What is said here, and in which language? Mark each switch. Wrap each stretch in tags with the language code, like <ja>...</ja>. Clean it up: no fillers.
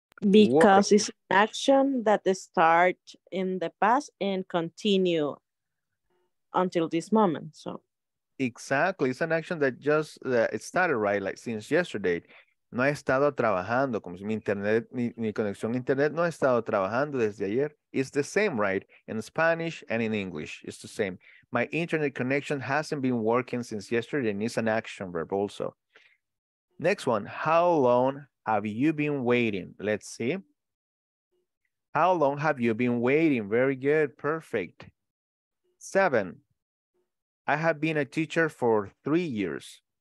<en>Because it's an action that starts in the past and continue until this moment. So exactly. It's an action that just it started, right? Like since yesterday.</en> <es>No ha estado trabajando, como si mi internet, mi conexión a internet no ha estado trabajando desde ayer.</es> <en>It's the same, right? In Spanish and in English, it's the same. My internet connection hasn't been working since yesterday, and it's an action verb also. Next one, how long have you been waiting? Let's see. How long have you been waiting? Very good, perfect. Seven, I have been a teacher for 3 years.</en>